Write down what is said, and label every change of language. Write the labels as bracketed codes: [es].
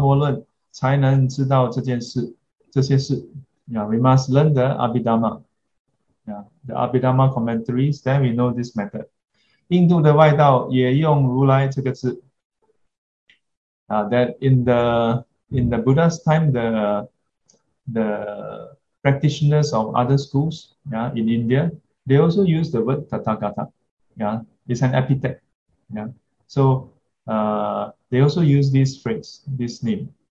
[zh] 我们要读阿毗达摩论才能知道这件事这些事. [en] Yeah, we must learn the Abhidhamma. Yeah, the Abhidhamma commentaries, then we know this method. [zh] 印度的外道也用如来这个字. [en] That in the Buddha's time, the practitioners of other schools, yeah, in India, they also use the word Tathagata. Yeah, it's an epithet. Yeah, so they also use this phrase, this name.